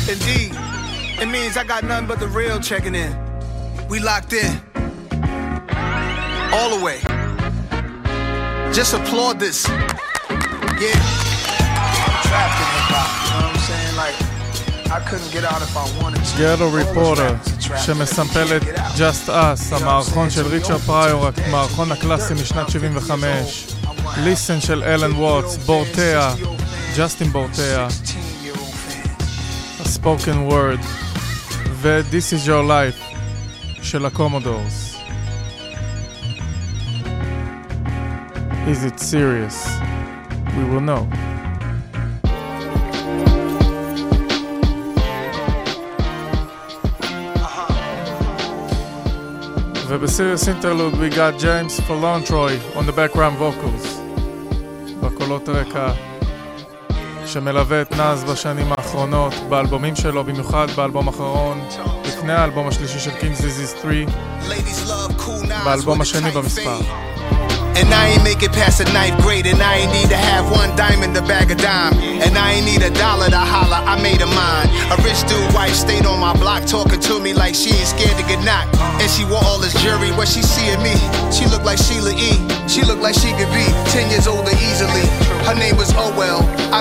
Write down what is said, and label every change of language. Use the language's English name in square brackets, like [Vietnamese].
[English] Indeed, it means I got none but the real checking in. We locked in, all the way. Just applaud this. Yeah. I'm trapped in hip hop, you know what I'm saying? Like, I couldn't get out if I wanted to. [Hebrew] Ghetto Reporter, שמסמפלת Just Us, המערכון של ריצ'רד פריור, המערכון הקלאסי משנת 75. ליסן של אלן ווטס, בורטאה, ג'סטין בורטאה, הספוקן וורד, ו-This is your life של הקומודורס. [English] Is it serious? We will know. [Hebrew] ובסיריוס אינטרלוד, [English] we got James Falantroy on the background vocals. [Hebrew] בקולות רקע שמלווה את נאז בשנים האחרונות, באלבומים שלו, במיוחד באלבום האחרון, לפני האלבום השלישי של King's Disease 3, באלבום השני במספר. [English] And I ain't make it past the ninth grade, and I ain't need to have one diamond to bag a dime, and I ain't need a dollar to holler, I made a mind. A rich dude wife stayed on my block talking to me like she ain't scared to get knocked, and she wore all this jewelry. What she see in me, she look like Sheila E, she look like she could be 10 years older easily. Her name was Orwell, I